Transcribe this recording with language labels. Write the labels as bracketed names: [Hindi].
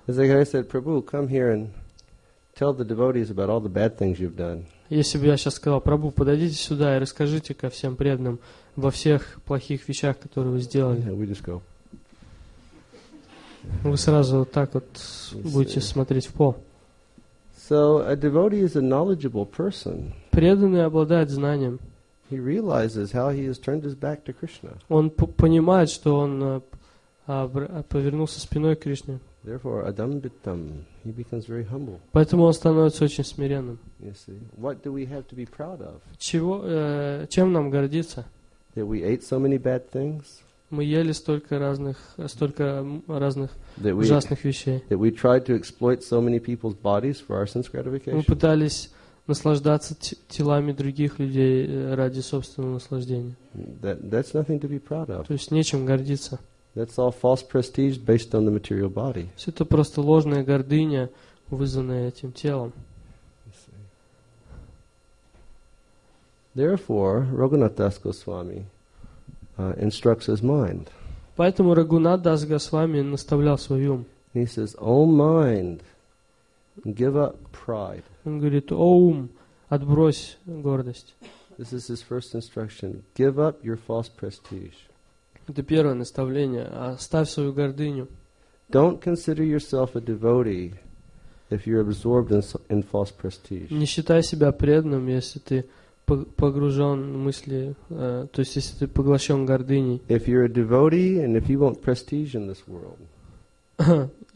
[English] As like I said, Prabhu, come here and tell the devotees about all the bad things you've done. [Russian] Если бы я сейчас сказал, Прабху, подойдите сюда и расскажите ко всем преданным во всех плохих вещах, которые вы сделали. [English] Yeah, we just go. [Russian] Вы сразу вот так вот будете смотреть в пол. [English] So a devotee is a knowledgeable person. [Russian] Преданный обладает знанием. [English] He realizes how he has turned his back to Krishna. [Russian] Он понимает, что он повернулся спиной к Кришне. [English] Therefore, adambittam, he becomes very humble. [Russian] Поэтому он становится очень смиренным. [English] You see, what do we have to be proud of? [Russian] Чего, чем нам гордиться? [English] That we ate so many bad things. [Russian] Мы ели столько разных ужасных вещей. [English] That we tried to exploit so many people's bodies for our sense gratification. [Russian] Мы пытались наслаждаться телами других людей ради собственного наслаждения. [English] That's nothing to be proud of. [Russian] То есть нечем гордиться. [English] That's all false prestige based on the material body. [Russian] Все это просто ложная гордыня, вызванная этим телом. [English] Therefore, Raghunath Das Goswami instructs his mind. [Russian] Поэтому Рагхунат Дас Госвами наставлял свой ум. [English] He says, "O mind, give up pride." [Russian] Он говорит: "О ум, отбрось гордость." [English] This is his first instruction: give up your false prestige. [Russian] Это первое наставление: оставь свою гордыню. [English] Don't consider yourself a devotee if you're absorbed in false prestige. [Russian] Не считай себя преданным, если ты погружен в мысли, то есть если ты поглощен гордыней. [English] If you're a devotee and if you want prestige in this world.